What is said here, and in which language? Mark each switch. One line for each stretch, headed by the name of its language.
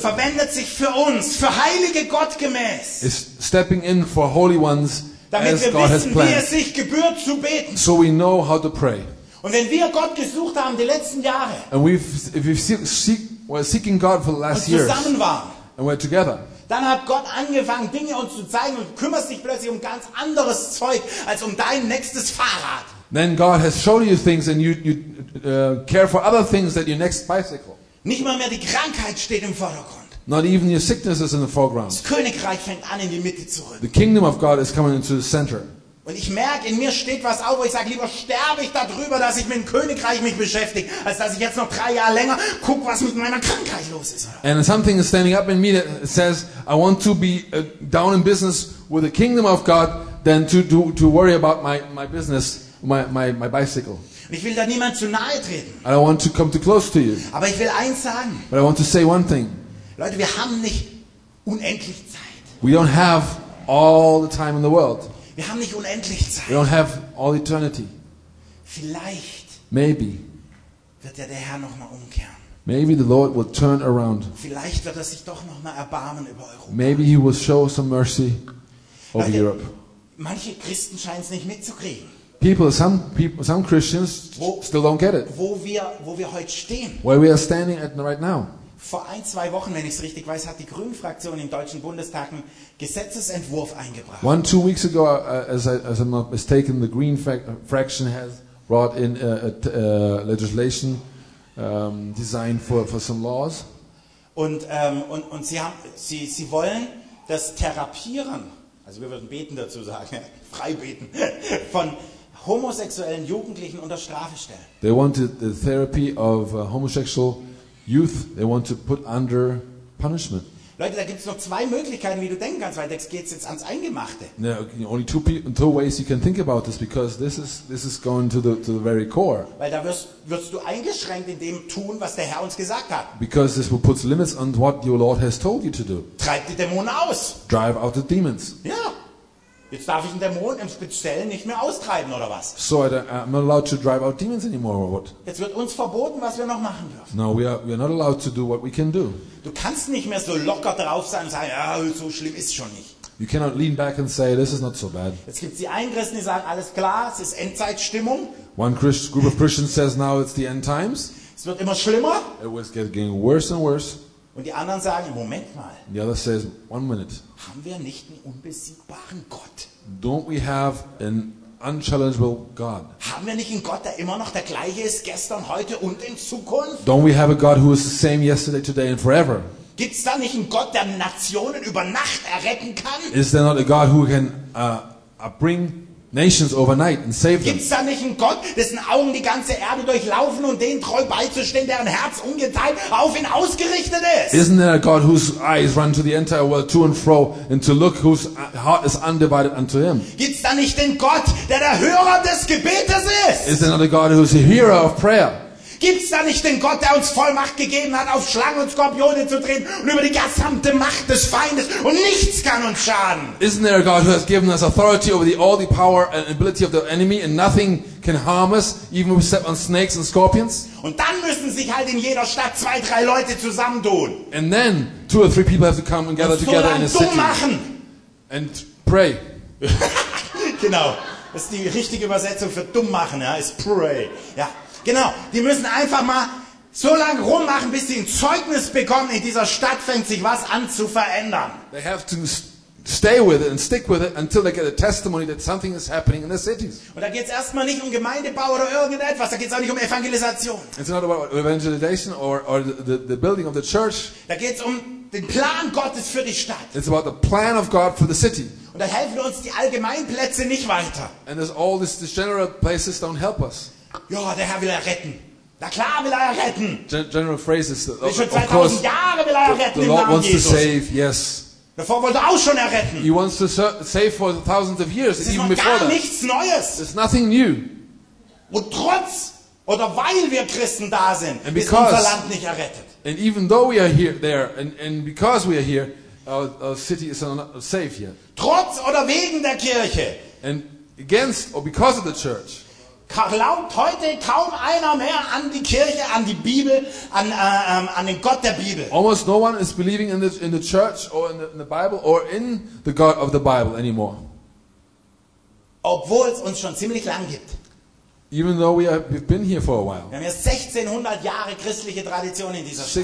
German: verwendet sich für uns, für heilige Gottgemäß.
English: Is stepping in for holy ones,
German: damit
English: as
German: wir
English: God
German: wissen, wie es sich gebührt zu beten.
English: So we know how to pray.
German: Und wenn wir Gott gesucht haben die letzten Jahre,
English: and we're seeking God for the last years,
German: und zusammen waren,
English: and we're together.
German: Dann hat Gott angefangen, Dinge uns zu zeigen und kümmert sich plötzlich um ganz anderes Zeug als um dein nächstes Fahrrad.
English: Then God has shown you things and you care for other things than your next bicycle.
German: Nicht mal mehr die Krankheit steht im Vordergrund.
English: Not even your sickness is in the foreground.
German: Das Königreich fängt an, in die Mitte zu rücken.
English: The kingdom of God is coming into the center.
German: Und ich merke, in mir steht was auf, wo ich sage, lieber sterbe ich darüber, dass ich mit dem Königreich mich beschäftige, als dass ich jetzt noch 3 Jahre länger gucke, was mit meiner Krankheit los ist.
English: And something is standing up in me that says, I want to be down in business with the kingdom of God, than to worry about my business, my bicycle.
German: Und ich will da niemand zu nahe treten.
English: I don't want to come too close to you.
German: Aber ich will eins sagen.
English: But I want to say one thing.
German: Leute, wir haben nicht unendlich Zeit.
English: We don't have all the time in the world.
German: Wir haben nicht unendlich Zeit.
English: We don't have all eternity.
German: Vielleicht.
English: Maybe.
German: Wird ja der Herr noch mal umkehren.
English: Maybe the Lord will turn around.
German: Vielleicht wird er sich doch noch mal erbarmen über Europa.
English: Maybe he will show some mercy over Europe.
German: Manche Christen scheinen es nicht mitzukriegen.
English: Some Christians still don't get it.
German: Wo wir heute stehen.
English: Where we are standing at right now.
German: Vor 1-2 Wochen, wenn ich es richtig weiß, hat die Grünen-Fraktion im Deutschen Bundestag einen Gesetzesentwurf eingebracht.
English: 1-2 weeks ago, as I'm not mistaken, the Green fraction has brought in legislation designed for some laws.
German: Und sie wollen das Therapieren, also wir würden beten dazu sagen, frei beten, von homosexuellen Jugendlichen unter Strafe stellen.
English: They wanted the therapy of homosexual youth, they want to put under punishment.
German: Leute, da gibt's noch 2 Möglichkeiten, wie du denken kannst, weil jetzt geht's jetzt ans Eingemachte.
English: Only two ways you can think about this, because this is going to the very core.
German: Weil da wirst du eingeschränkt in dem tun, was der Herr uns gesagt hat.
English: Because this will put limits on what your Lord has told you to do.
German: Treib die Dämonen aus.
English: Drive out the demons.
German: Ja. Jetzt darf ich einen Dämon im Speziellen nicht mehr austreiben, oder was?
English: So, I'm not allowed to drive out demons anymore, or what?
German: Jetzt wird uns verboten, was wir noch machen dürfen.
English: No, we are not allowed to do what we can do.
German: Du kannst nicht mehr so locker drauf sein und sagen, ja, so schlimm ist schon nicht.
English: You cannot lean back and say, this is not so bad.
German: Jetzt gibt's die einen Christen, die sagen, alles klar, es ist Endzeitstimmung.
English: One group of Christians says, now it's the end times.
German: Es wird immer schlimmer.
English: It was getting worse and worse.
German: Und die anderen sagen, Moment mal.
English: The other says, one minute.
German: Haben wir nicht einen unbesiegbaren Gott?
English: Don't we have an unchallengeable God?
German: Haben wir nicht einen Gott, der immer noch der gleiche ist, gestern, heute und in Zukunft?
English: Don't we have a God who is the same yesterday, today and forever?
German: Gibt's da nicht einen Gott, der Nationen über Nacht erretten kann?
English: Is there not a God who can bring nations overnight and save them?
German: Gibt's da nicht einen Gott, dessen Augen die ganze Erde durchlaufen und denen treu beizustehen, deren Herz ungeteilt auf ihn ausgerichtet ist?
English: Isn't there a God whose eyes run to the entire world to and fro and to look whose heart is undivided unto him?
German: Gibt's da nicht den Gott, der Hörer des Gebetes ist?
English: Is there not a God who's a hearer of prayer?
German: Gibt's da nicht den Gott, der uns Vollmacht gegeben hat, auf Schlangen und Skorpione zu treten und über die gesamte Macht des Feindes, und nichts kann uns schaden?
English: Isn't there a God who has given us authority over the, all the power and ability of the enemy, and nothing can harm us, even if we step on snakes and scorpions?
German: Und dann müssen sich halt in jeder Stadt 2-3 Leute zusammentun.
English: And then 2 or 3 people have to come and gather
German: und so
English: together in a city.
German: Machen.
English: And pray.
German: Genau. Das ist die richtige Übersetzung für dumm machen, ja, ist pray. Ja, genau. Die müssen einfach mal so lange rummachen, bis sie ein Zeugnis bekommen, in dieser Stadt fängt sich was an zu verändern.
English: They have to stay with it and stick with it until they get a testimony that something is happening in the cities.
German: Und da geht's erstmal nicht um Gemeindebau oder irgendetwas, da geht's auch nicht um Evangelisation.
English: It's not about evangelization or the building of the church.
German: Da geht's um den Plan Gottes für die Stadt.
English: It's about the plan of God for the city.
German: Und da helfen uns die Allgemeinplätze nicht weiter.
English: And all these general places don't help us.
German: Ja, der Herr will er retten. Na klar will er retten.
English: General phrases.
German: Schon 2000 Jahre will er retten im Namen Jesus.
English: The Lord wants to save, yes.
German: Davor wollte er auch schon erretten.
English: He wants to save for thousands of years, even before that.
German: Das ist noch gar nichts Neues.
English: There's nothing new.
German: Und trotz oder weil wir Christen da sind,
English: and because,
German: ist unser Land nicht errettet.
English: And even though we are here, there, and because we are here, our city is not safe yet.
German: Trotz oder wegen der Kirche.
English: And against or because of the church.
German: Glaubt heute kaum einer mehr an die Kirche, an die Bibel, an den Gott der Bibel.
English: Almost no one is believing in the church or in the Bible or in the God of the Bible anymore.
German: Obwohl es uns schon ziemlich lang gibt.
English: Even though we've been here for a while.
German: Wir haben erst 1600 Jahre christliche Tradition in dieser Stadt.